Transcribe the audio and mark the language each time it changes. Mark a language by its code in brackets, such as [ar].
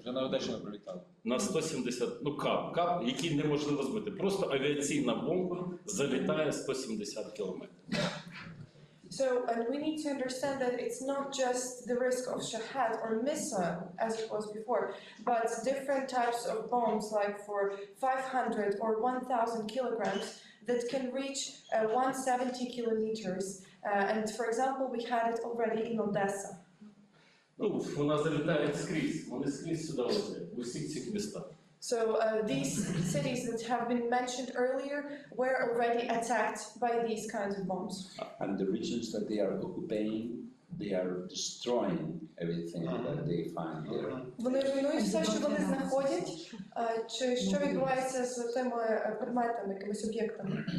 [uk] Вже на Одещину прилітало. На 170, ну КАБ, який неможливо збити. Просто авіаційна бомба залітає 170 кілометрів. [en] So, and we need to understand that it's not just the risk of Shahed or missile, as it was before, but different types of bombs, like for 500 or 1,000 kilograms, that can reach 170 kilometers. And, for example, we had it already in Odessa. [uk] Ну, вона залітає скрізь, вони скрізь сюди летять, в усіх цих містах. [en] So these cities that have been mentioned earlier were already attacked by these kinds of bombs. And the regions that they are occupying, they are destroying everything that they find there. [uk] Вони руйнують все, що вони знаходять? Чи що відбувається з тими предметами, якимись об'єктами?